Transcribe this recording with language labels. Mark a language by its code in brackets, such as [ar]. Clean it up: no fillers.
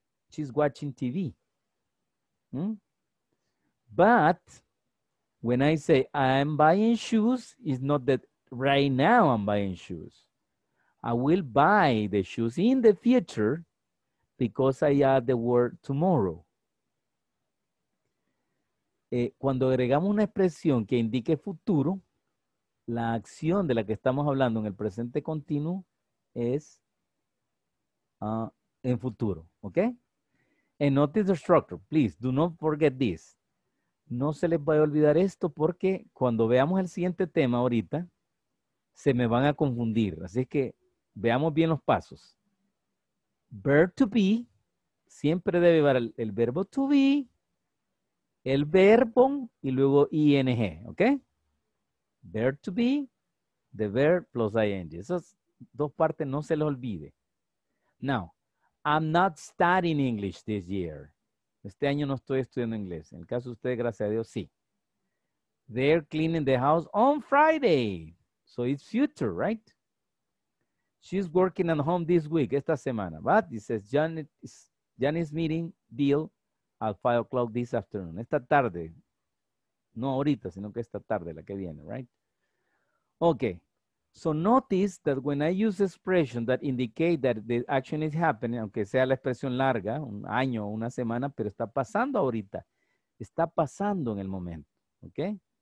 [en] She's watching TV. Hmm? But when I say I'm buying shoes, it's not that right now I'm buying shoes. I will buy the shoes in the future because I add the word tomorrow. [es] Cuando agregamos una expresión que indique futuro, la acción de la que estamos hablando en el presente continuo es en futuro, ¿ok? [en] And notice the structure, please, do not forget this. [es] No se les vaya a olvidar esto porque cuando veamos el siguiente tema ahorita, se me van a confundir. Así es que veamos bien los pasos. Verb to be, siempre debe llevar el verbo to be, el verbo y luego ing, ¿ok? [en] Verb to be, the verb plus ing. [es] Esas dos partes no se les olvide. [en] Now, I'm not studying English this year. [es] Este año no estoy estudiando inglés. En el caso de ustedes, gracias a Dios, sí. [en] They're cleaning the house on Friday. So it's future, right? She's working at home this week, [es] esta semana. [en] But it says Janet's meeting Bill at 5 o'clock this afternoon. [es] Esta tarde. No ahorita, sino que esta tarde, la que viene, right? [en] Okay. So notice that when I use expression that indicate that the action is happening, [es] aunque sea la expresión larga, un año o una semana, pero está pasando ahorita. Está pasando en el momento. Okay?